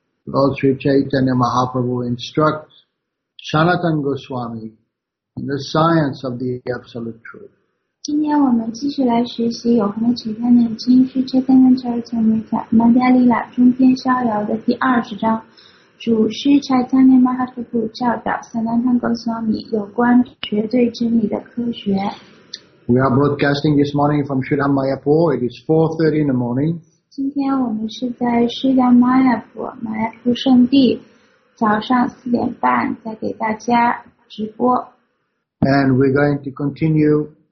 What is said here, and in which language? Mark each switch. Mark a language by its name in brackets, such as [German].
[English] Lord Sri Chaitanya Mahaprabhu instructs Sanatan Goswami in the science of the Absolute Truth. [Chinese] 今天我们继续来学习《永恒的启示念经》是这三个章节里的《曼达利拉中篇逍遥》的第20章，主师柴加涅马哈图布教导萨南坦戈斯瓦米有关绝对真理的科学。 [English] We are broadcasting this morning from Sri Ramayapur. It is 4:30 in the morning. [Chinese] 今天我们是在Sri Ramayapur马亚普圣地早上4:30再给大家直播。 [English] And we're going to continue.